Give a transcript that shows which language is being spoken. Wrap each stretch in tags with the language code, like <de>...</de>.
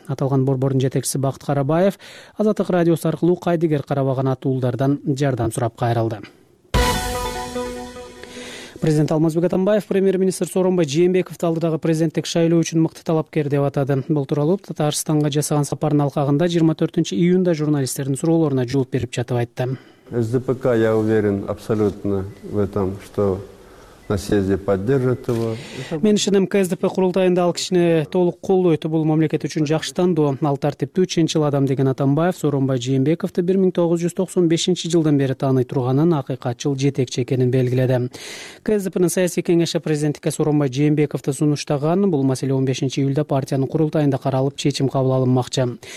<ky>Аталган борбордун жетекчиси Бакыт Карабаев Азаттык радиосу аркылуу кайдыгер карабаган атуулдардан жардам сурап кайрылды. Президент Алмазбек Атамбаев премьер-министр Сооронбай Жээнбековду алдыдагы президенттик шайлоо үчүн мыкты талапкер деп атады. Бул тууралуу Татарстанга жасаган сапарынын алкагында 24 июнда журналисттердин суроолоруна жооп берип жатып айтты.</ky> <ru>СДПК, я уверен абсолютно в этом, что на съезде поддержат его.</ru> <ky>Мен ишенем, КСДП курултайында ал кишини толук колдойт. Бул мамлекет үчүн жакшы тандоо. Ал тартиптүү, чынчыл адам деген Атамбаев Сооронбай Жээнбековду 1995 жылдан бери тааный турганын, акыйкатчыл жетекчи экенин белгиледи. КСДПнын саясий кеңеши президенттикке Сооронбай Жээнбековду сунуштаган. Бул маселе 15 июлда партиянын курултайында каралып, чечим кабыл алынмакчы.</ky>